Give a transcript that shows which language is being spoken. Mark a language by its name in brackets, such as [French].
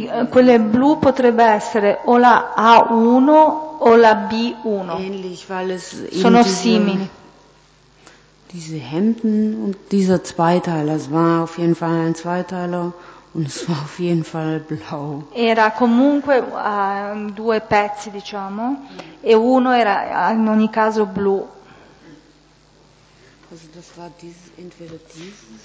[Italian] Quelle blu potrebbe essere o la A1 o la B1. [German] Ähnlich, weil es [Italian] sono simili. [German] Diese Hemden und dieser Zweiteiler, es war auf jeden Fall ein Zweiteiler und es war auf jeden Fall blau. [Italian] Era comunque due pezzi, diciamo, e uno era in ogni caso blu. [German] Also das war dieses, entweder dieses.